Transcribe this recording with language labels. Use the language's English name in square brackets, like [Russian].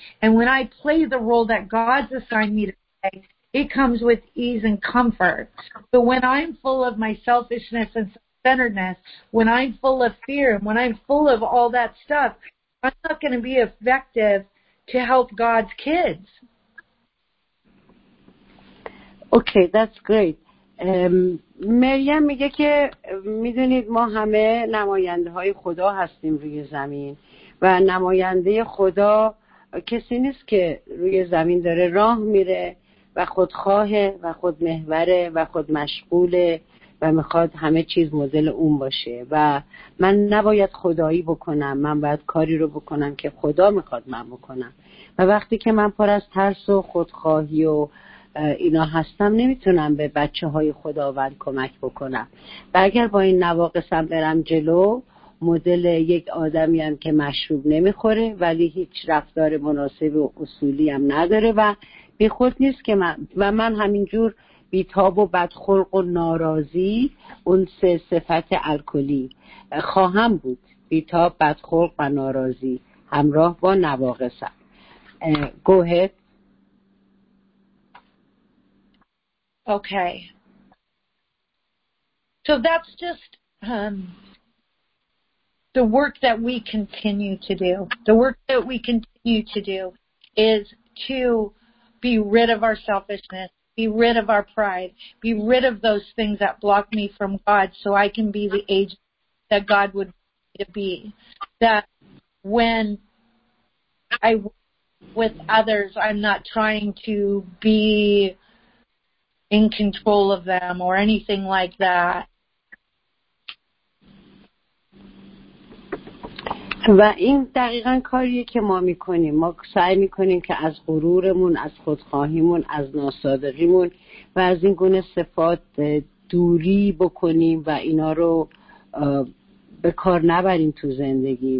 [English] And when I play the role that God's assigned me to play, it comes with ease and comfort. But when I'm full of my selfishness and centeredness, when I'm full of fear, when I'm full of all that stuff, I'm not going to be effective to help God's kids. Okay, that's great. [Persian] مریم میگه که میدونید ما همه نماینده های خدا هستیم روی زمین و نماینده خدا کسی نیست که روی زمین داره راه میره و خودخواهه و خودمحوره و خودمشغوله و میخواد همه چیز مدل اون باشه و من نباید خدایی بکنم، من باید کاری رو بکنم که خدا میخواد من بکنم و وقتی که من پر از ترس و خودخواهی و اینا هستم نمیتونم به بچه های خداوند کمک بکنم و اگر با این نواقصم برم جلو مدل یک آدمی هم که مشروب نمیخوره ولی هیچ رفتار مناسب و اصولی هم نداره و بی خود نیست که من همینجور بیتاب و بدخلق و ناراضی اون سه صفت الکلی خواهم بود، بیتاب، بدخلق و ناراضی همراه با نواقصم. [English] Go ahead. Okay, so that's just the work that we continue to do. The work that we continue to do is to be rid of our selfishness, be rid of our pride, be rid of those things that block me from God so I can be the agent that God would want me to be. That when I work with others, I'm not trying to be in control of them or anything like that. [Persian] و این دقیقاً کاریه که ما میکنیم. ما سعی میکنیم که از غرورمون، از خودخواهیمون، از ناصادقیمون و از این گونه صفات دوری بکنیم و اینا رو به کار نبریم تو زندگی.